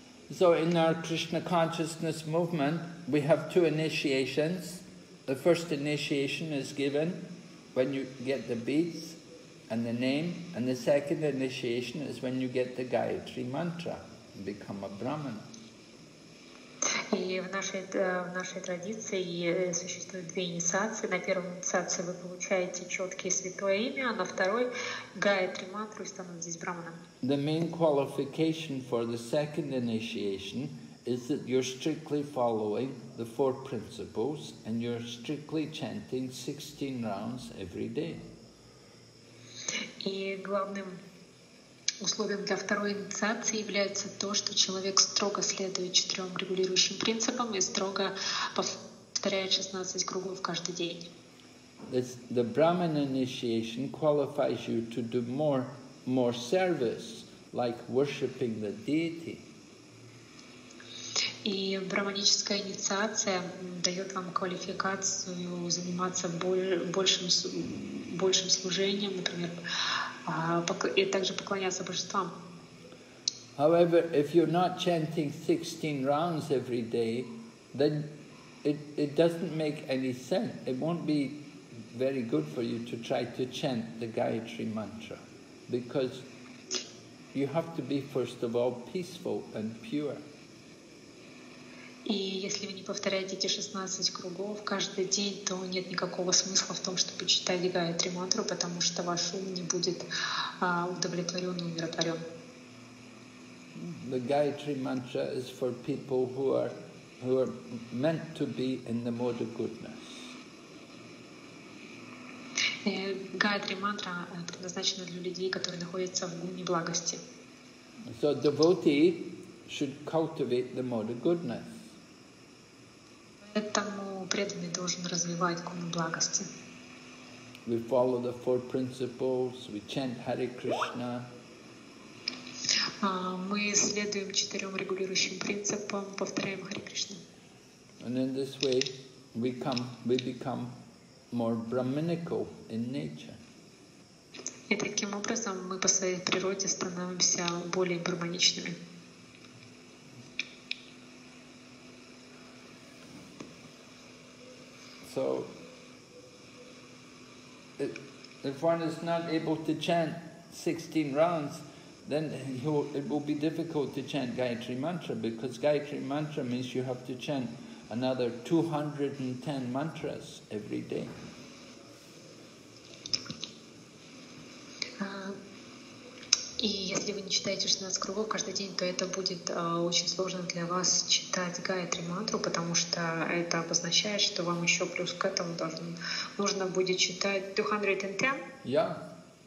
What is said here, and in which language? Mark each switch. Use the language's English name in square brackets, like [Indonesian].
[English] So in our Krishna consciousness movement we have two initiations. The first initiation is given when you get the beads and the name, and the second initiation is when you get the Gayatri mantra and become a brahmana. [Russian] И в нашей традиции существует две инициации. На первой инициации вы получаете четкое святое имя, а на второй Гайатри мантру и становитесь брахманом. [English] The main qualification for the second initiation is that you're strictly following the four principles and you're strictly chanting 16 rounds every day. [Russian] И главным условием для второй инициации является то, что человек строго следует четырем регулирующим принципам и строго повторяет 16 кругов каждый день. [English] The Brahman initiation qualifies you to do more service, like worshiping the deity. [Russian] И брахманическая инициация дает вам квалификацию заниматься большим служением, например, и также поклоняться божествам. [English] However, if you're not chanting 16 rounds every day, then it doesn't make any sense. It won't be very good for you to try to chant the Gayatri mantra, because you have to be first of all peaceful and pure. [Russian] И если вы не повторяете эти 16 кругов каждый день, то нет никакого смысла в том, чтобы читать Гаятри мантру, потому что ваш ум не будет удовлетворен и умиротворен. [English] The Gayatri mantra is for people who are meant to be in the mode of goodness. [Russian] Гаятри мантра предназначена для людей, которые находятся в гуне благости. [English] So devotee should cultivate the mode of goodness. [Russian] Поэтому преданный должен развивать гуну благости. [English] We follow the four principles, we chant Hare Krishna. [Russian] Мы следуем четырем регулирующим принципам, повторяем Hare Krishna. [English] And in this way we become more brahminical in nature. [Russian] И таким образом мы по своей природе становимся более брахманичными. [English] So, if one is not able to chant 16 rounds, then it will be difficult to chant Gayatri mantra, because Gayatri mantra means you have to chant another 210 mantras every day. [Russian] И если вы не читаете 16 кругов каждый день, то это будет очень сложно для вас читать Гаятри мантру, потому что это обозначает, что вам еще плюс к этому нужно будет читать 210. Я.